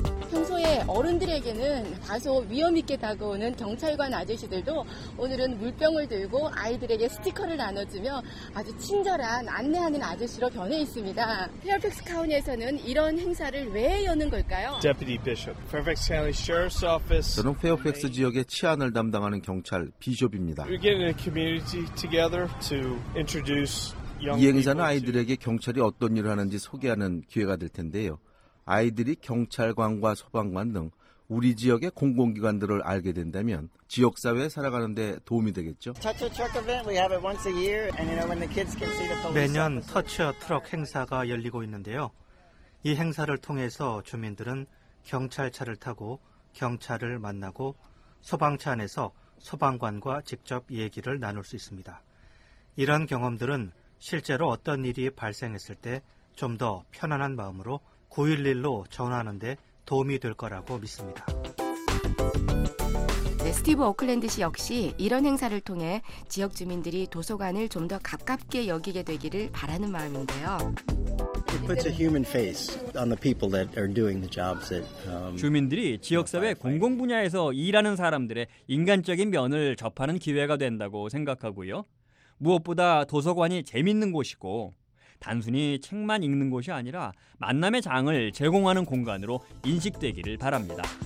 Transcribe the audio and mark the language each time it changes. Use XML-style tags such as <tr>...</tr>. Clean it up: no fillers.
<ko>평소에 어른들에게는 다소 위험 있게 다가오는 경찰관 아저씨들도 오늘은 물병을 들고 아이들에게 스티커를 나눠주며 아주 친절한 안내하는 아저씨로 변해 있습니다. 페어팩스 카운티에서는 이런 행사를 왜 여는 걸까요?</ko> <en>Deputy Bishop, Fairfax County Sheriff's Office.</en> <ko>저는 페어팩스 지역의 치안을 담당하는 경찰 비숍입니다.</ko> <en>We're getting a community together to introduce young people.</en> <ko>이 행사는 아이들에게 경찰이 어떤 일을 하는지 소개하는 기회가 될 텐데요. 아이들이 경찰관과 소방관 등 우리 지역의 공공기관들을 알게 된다면 지역사회에 살아가는 데 도움이 되겠죠. 매년 터치어 트럭 행사가 열리고 있는데요. 이 행사를 통해서 주민들은 경찰차를 타고 경찰을 만나고 소방차 안에서 소방관과 직접 얘기를 나눌 수 있습니다. 이런 경험들은 실제로 어떤 일이 발생했을 때 좀 더 편안한 마음으로 911로 전화하는 데 도움이 될 거라고 믿습니다. 네, 스티브 오클랜드 씨 역시 이런 행사를 통해 지역 주민들이 도서관을 좀 더 가깝게 여기게 되기를 바라는 마음인데요.</ko> <en>It puts a human face on the people that are doing the jobs that</en> <ko>주민들이 지역사회 공공 분야에서 일하는 사람들의 인간적인 면을 접하는 기회가 된다고 생각하고요. 무엇보다 도서관이 재밌는 곳이고 단순히 책만 읽는 곳이 아니라 만남의 장을 제공하는 공간으로 인식되기를 바랍니다.</ko>